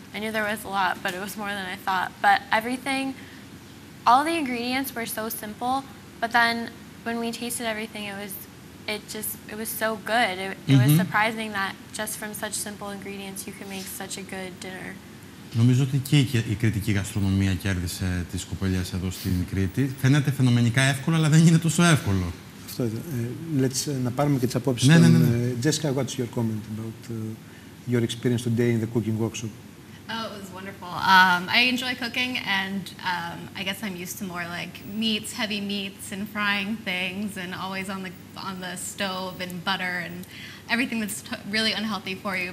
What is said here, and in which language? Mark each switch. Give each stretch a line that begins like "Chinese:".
English: I knew there was a lot, but it was more than I thought. But everything, all the ingredients were so simple, but then when we tasted everything, it was so good. It was surprising that just from such simple ingredients, you can make such a good dinner.
Greek: Νομίζω ότι και η κρητική γαστρονομία κέρδισε τις κοπελιές εδώ στην Κρήτη. Φαίνεται φαινομενικά εύκολο, αλλά δεν είναι τόσο εύκολο. Αυτό να πάρουμε και τις απόψεις. Ναι, ναι, ναι.
English: Jessica, what's your comment about your experience today in the cooking workshop? Oh, it was wonderful. I enjoy cooking and I guess I'm used to more like meats, heavy meats and frying things and always on the stove and butter and everything that's really unhealthy for you.